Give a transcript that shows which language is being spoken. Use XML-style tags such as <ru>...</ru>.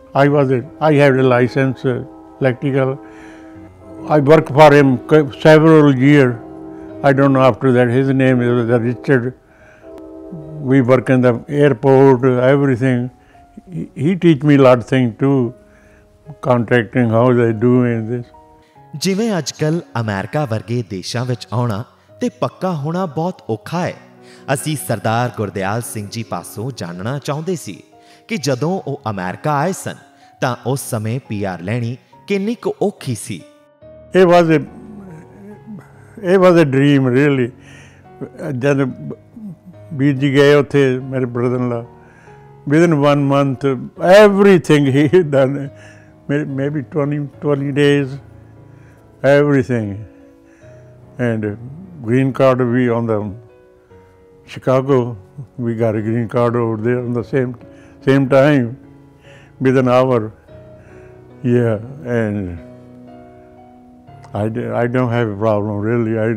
<en>I had a license, electrical. I worked for him several years. I don't know after that. His name is Richard. We work in the airport, everything. He teach me a lot of things too, contracting, how they do in this.</en> <pa>ਜਿਵੇਂ ਅੱਜਕੱਲ America ਵਰਗੇ ਦੇਸ਼ਾਂ ਵਿੱਚ ਆਉਣਾ ਤੇ ਪੱਕਾ ਹੋਣਾ ਬਹੁਤ ਔਖਾ ਹੈ, ਅਸੀਂ ਸਰਦਾਰ ਗੁਰਦਿਆਲ ਸਿੰਘ ਜੀ ਪਾਸੋਂ ਜਾਣਨਾ ਚਾਹੁੰਦੇ ਸੀ ਕਿ ਜਦੋਂ ਉਹ ਅਮਰੀਕਾ ਆਏ ਸਨ ਤਾਂ ਉਸ ਸਮੇਂ PR ਲੈਣੀ ਕਿੰਨੀ ਕੁ ਔਖੀ ਸੀ।</pa> <en>ਇਹ was a dream really.</en> <pa>ਜਦ ਵੀਰ ਜੀ ਗਏ ਉੱਥੇ ਮੇਰੇ ਬ੍ਰਦਰ ਨਾਲ,</pa> <en>Within 1 month everything ਹੀ done, maybe 20 days, everything. And green card, we on the Chicago, we got a green card over there on the same time, within hour. Yeah, and I don't have a problem really.</en>